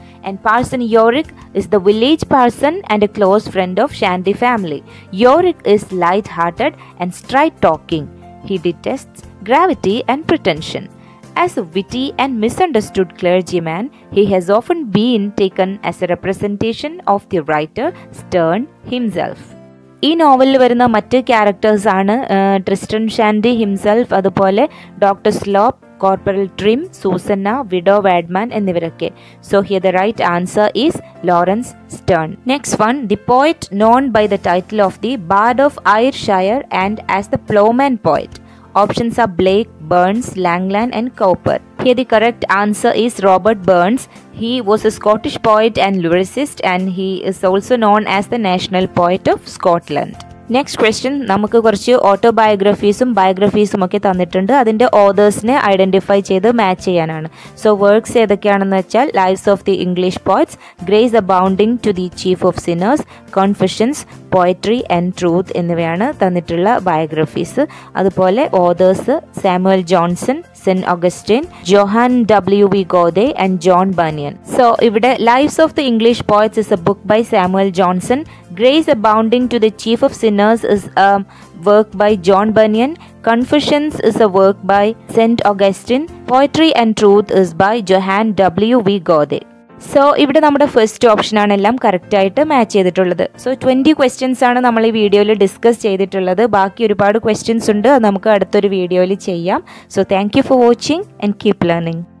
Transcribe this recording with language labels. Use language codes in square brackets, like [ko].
[en] And Parson Urick is the village parson and a close friend of Shandy family. Urick is light-hearted and straight-talking. He detests gravity and pretension. As a witty and misunderstood clergyman, he has often been taken as a representation of the writer Stern himself. [ml] ഈ നോവലിൽ വരുന്ന മറ്റ് characters ആണ് Tristan Shandy himself, അതുപോലെ doctor slope, corporal trim, Susanna, widow വാഡ്മാൻ എന്നിവരൊക്കെ. [en] So here the right answer is Laurence Sterne. Next one, the poet known by the title of the bard of Ayrshire and as the ploughman poet. Options are Blake, Burns, Langland and Cowper. Here the correct answer is Robert Burns. He was a Scottish poet and lyricist and he is also known as the National Poet of Scotland. Next question, [ml] നമുക്ക് കുറച്ച് ഓട്ടോബയോഗ്രഫീസും ബയോഗ്രഫീസും ഒക്കെ തന്നിട്ടുണ്ട്. അതിൻ്റെ ഓതേഴ്സിനെ identify ചെയ്ത് match ചെയ്യാനാണ്. So works ഏതൊക്കെയാണെന്ന് വെച്ചാൽ lives of the English poets, grace abounding to the chief of sinners, കോൺഫഷൻസ്, poetry and truth എന്നിവയാണ് തന്നിട്ടുള്ള ബയോഗ്രഫീസ്. അതുപോലെ authors Samuel Johnson, cent Augustine, Johan W V ഗോദേ and John banian. [en] So ഇവിടെ lives of the English poets is a book by Samuel Johnson. Grace Abounding to the Chief of Sinners is a work by John Bunyan. Confessions is a work by St. Augustine. Poetry and Truth is by Johann W. V. Godet. [ml] So ഇവിടെ നമ്മുടെ first ഓപ്ഷനാണ് എല്ലാം കറക്റ്റായിട്ട് match ചെയ്തിട്ടുള്ളത്. So 20 questions ആണ് നമ്മൾ ഈ വീഡിയോയിൽ ഡിസ്കസ് ചെയ്തിട്ടുള്ളത്. ബാക്കി ഒരുപാട് ക്വസ്റ്റ്യൻസ് ഉണ്ട്, അത് നമുക്ക് അടുത്തൊരു വീഡിയോയിൽ ചെയ്യാം. [en] So thank you for watching and keep learning.